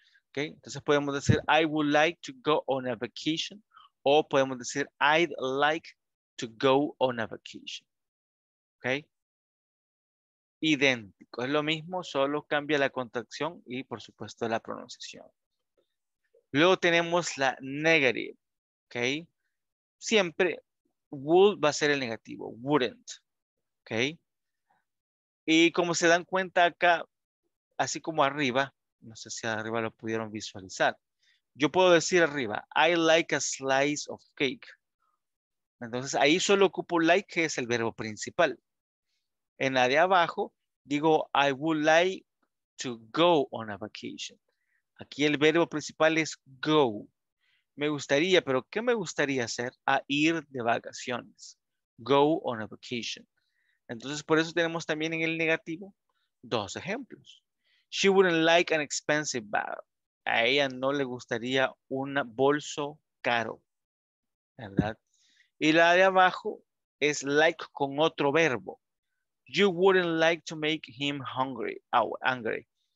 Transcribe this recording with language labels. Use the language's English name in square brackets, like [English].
[English] Okay? [Spanish] Entonces podemos decir, [English] I would like to go on a vacation. [Spanish] O podemos decir, [English] I'd like to go on a vacation. Okay? [Spanish] Idéntico, es lo mismo, solo cambia la contracción y por supuesto la pronunciación. Luego tenemos la negative. Okay? Siempre would va a ser el negativo, wouldn't. [English] Okay? [Spanish] Y como se dan cuenta acá, así como arriba, no sé si arriba lo pudieron visualizar. Yo puedo decir arriba, [English] I like a slice of cake. [Spanish] Entonces ahí solo ocupo like, que es el verbo principal. En la de abajo, digo, [English] I would like to go on a vacation. [Spanish] Aquí el verbo principal es go. Me gustaría, pero ¿qué me gustaría hacer? A ir de vacaciones. [English] Go on a vacation. [Spanish] Entonces, por eso tenemos también en el negativo dos ejemplos. [English] She wouldn't like an expensive bag. [Spanish] A ella no le gustaría un bolso caro, ¿verdad? Y la de abajo es like con otro verbo. [English] You wouldn't like to make him hungry, angry.